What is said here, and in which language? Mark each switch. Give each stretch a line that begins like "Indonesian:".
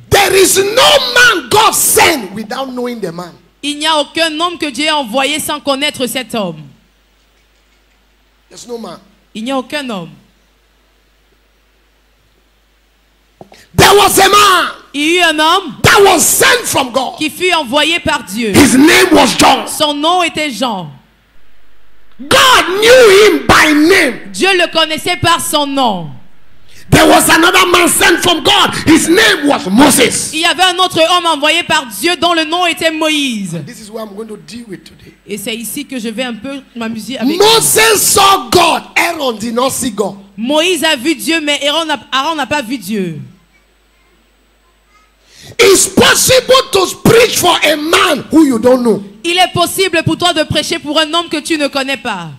English: There is no man God sent without knowing the man.
French: Il n'y a aucun homme que Dieu a envoyé sans connaître cet homme.
English: There's no man.
French: Il n'y a aucun homme.
English: There was a man.
French: Il y eut un homme.
English: That was sent from God.
French: Qui fut envoyé par Dieu.
English: His name was John.
French: Son nom était Jean.
English: God knew him by name.
French: Dieu le connaissait par son nom.
English: There was another man sent from God. His name was Moses.
French: Il y avait un autre homme envoyé par Dieu dont le nom était Moïse.
English: This is what I'm going to deal with today.
French: Et c'est ici que je vais un peu m'amuser avec.
English: Moses saw God. Aaron did not see God.
French: Moïse a vu Dieu, mais Aaron n'a pas vu Dieu.
English: It's possible to preach for a man who you don't know.
French: Il est possible pour toi de prêcher pour un homme que tu ne connais pas.